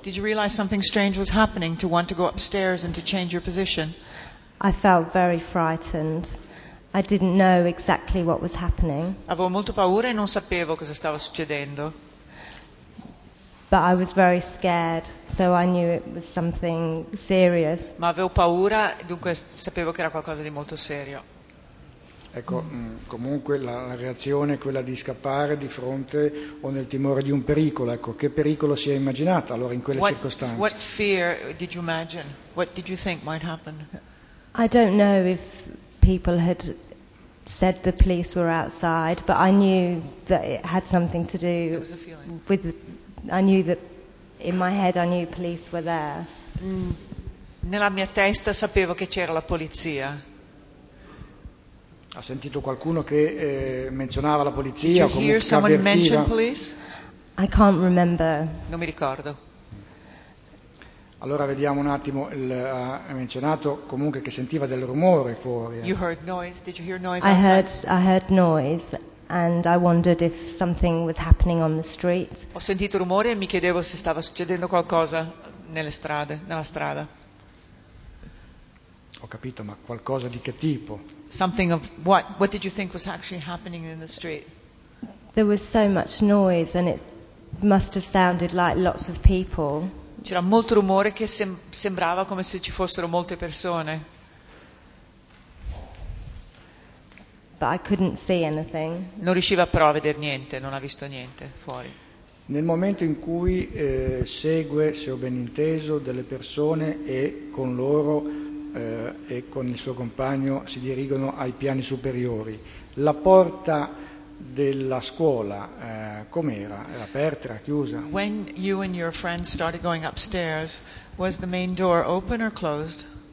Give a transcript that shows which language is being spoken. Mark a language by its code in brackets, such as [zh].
[en] Did you realize something strange was happening to want to go upstairs and to change your position? I felt very frightened. I didn't know exactly what was happening. [it] Avevo molto paura e non sapevo cosa stava succedendo. [en] But I was very scared, so I knew it was something serious. [it] Ma avevo paura, dunque sapevo che era qualcosa di molto serio. Ecco, comunque la reazione è quella di scappare di fronte o nel timore di un pericolo. Ecco, che pericolo si è immaginato allora in quelle circostanze? [en] What fear did you imagine? What did you think might happen? I don't know if people had said the police were outside, but I knew that it had something to do with. I knew that in my head I knew police were there. [it] Nella mia testa sapevo che c'era la polizia. Ha sentito qualcuno che menzionava la polizia? [en] Did you hear someone mention police? I can't remember. [it] Non mi ricordo. Allora vediamo un attimo, ha menzionato comunque che sentiva del rumore fuori. [en] You heard noise? Did you hear noise? I heard noise and I wondered if something was happening on the street. [it] Ho sentito rumore e mi chiedevo se stava succedendo qualcosa nella strada. Ho capito, ma qualcosa di che tipo? [en] Something of what did you think was actually happening in the street? There was so much noise and it must have sounded like lots of people. [it] C'era molto rumore che sembrava come se ci fossero molte persone. [en] But I couldn't see anything. [it] Non riusciva però a vedere niente, non ha visto niente fuori. Nel momento in cui segue, se ho ben inteso, delle persone e con loro e con il suo compagno si dirigono ai piani superiori, la porta della scuola com'era? Era aperta, era chiusa? [en] When you and your friends started going upstairs, was the main door open or closed?